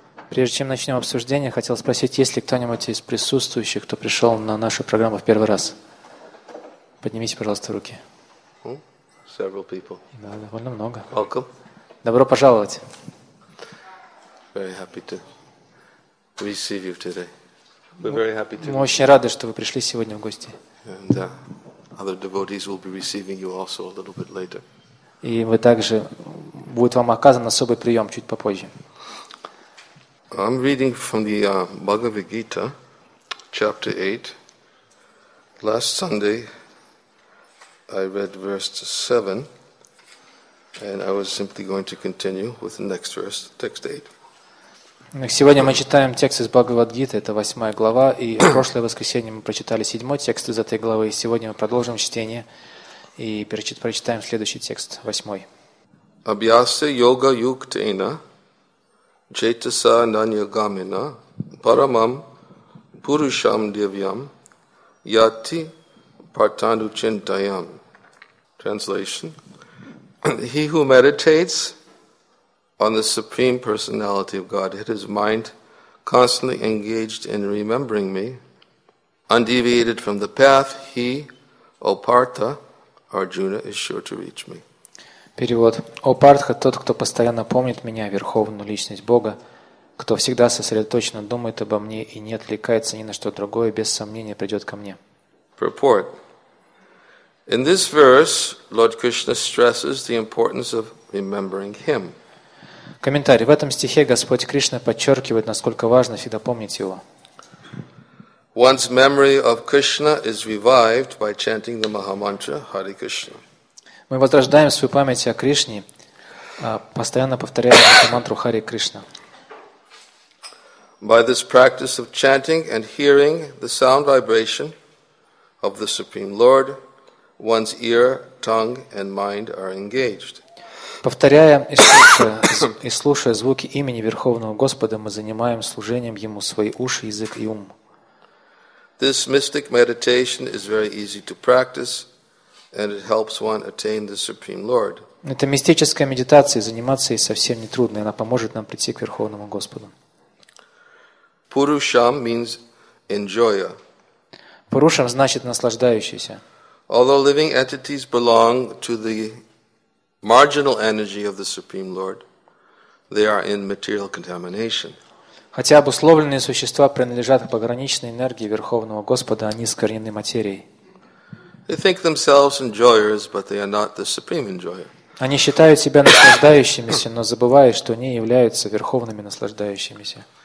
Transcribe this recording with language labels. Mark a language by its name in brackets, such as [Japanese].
[Russian] Прежде чем начнем обсуждение, хотел спросить, есть ли кто-нибудь из присутствующих, кто пришел на нашу программу в первый раз? Поднимите, пожалуйста, руки. [English] Several people. [Russian] Да, довольно много. [English] Welcome. [Russian] Добро пожаловать. [English] Very happy to receive you today. We're very happy to. [Russian] Мы очень рады, что вы пришли сегодня в гости. [English] And other devotees will be receiving you also a little bit later. [Russian] И вы также будет вам оказан особый прием чуть попозже. [English] I'm reading from the Bhagavad Gita, chapter 8. Last Sunday I read verse 7, and I was simply going to continue with the next verse, text 8. [Russian] Сегодня мы читаем текст из Бхагавад-гиты, это 8 глава, и в прошлое воскресенье мы прочитали 7 текст из этой главы, и сегодня мы продолжим чтение и прочитаем следующий текст, 8. [Sanskrit] Абьяса йога юктена джетаса наньягамена парамам пурушам девьям яти партану чинтаям. [English] Translation. He who meditates on the Supreme Personality of Godhead, his mind constantly engaged in remembering me, undeviated from the path, he, O Partha, Arjuna, is sure to reach me. [Russian] Перевод. О Партха, тот, кто постоянно помнит меня, Верховную Личность Бога, кто всегда сосредоточенно думает обо мне и не отвлекается ни на что другое, без сомнения придет ко мне. [English] Purport. In this verse, Lord Krishna stresses the importance of remembering him. [Russian] Комментарий. В этом стихе Господь Кришна подчеркивает, насколько важно всегда помнить его. [English] One's memory of Krishna is revived by chanting the Mahamantra Hare Krishna. [Russian] Мы возрождаем свою память о Кришне, постоянно повторяя Махамантру Хари Кришна. [English] By this practice of chanting and hearing the sound vibration of the Supreme Lord, one's ear, tongue and mind are engaged. [Russian] Повторяя и слушая звуки имени Верховного Господа, мы занимаем служением Ему свои уши, язык и ум. [English] This mystic meditation is very easy to practice, and it helps one attain the Supreme Lord. [Russian] Эта мистическая медитация, заниматься ей совсем не трудно, и она поможет нам прийти к Верховному Господу. [English] Purusham means enjoyer. [Russian] Purusham значит наслаждающийся. [English] Although living entities belong to the marginal energy of the Supreme Lord, they are in material contamination. [Russian] Хотя обусловленные существа принадлежат к пограничной энергии Верховного Господа, они искоренены материей. [English] They think themselves enjoyers, but they are not the supreme enjoyer. [Russian] Они считают себя наслаждающимися, но забывают, что они являются верховными наслаждающимися.